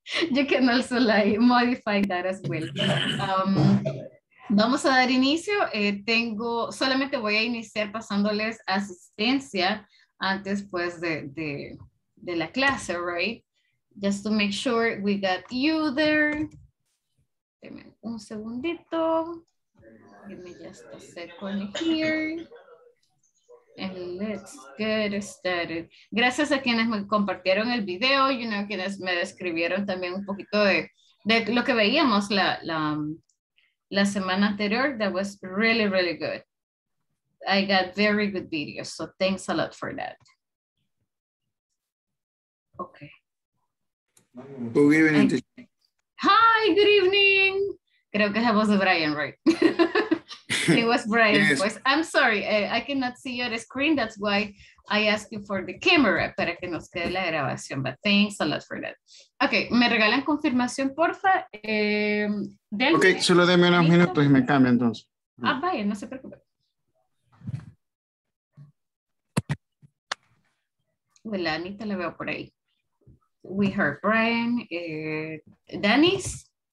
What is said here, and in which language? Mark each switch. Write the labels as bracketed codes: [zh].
[en] You can also like modify that as well. [es] Vamos a dar inicio. Solamente voy a iniciar pasándoles asistencia antes, pues, de la clase, right? [en] Just to make sure we got you there. [es] Deme un segundito. [en] Give me just a second here. And let's get started. [es] Gracias a quienes me compartieron el video, [en] you know, [es] quienes me describieron también un poquito de lo que veíamos la semana anterior. [en] That was really, really good. I got very good videos, so thanks a lot for that. Okay. Good evening. Hi, good evening. [es] Creo que es Brian, [en] right? It was Brian's yes. voice. I'm sorry, I cannot see your screen. That's why I asked you for the camera, [es] para que nos quede la grabación, [en] but thanks a lot for that. [es] Okay, me regalan confirmación, porfa. Okay, solo deme unos minutos y me cambio entonces. Ah, vaya, no se preocupe. Well, Anita la veo por ahí. [en] We heard Brian. [es] Danis.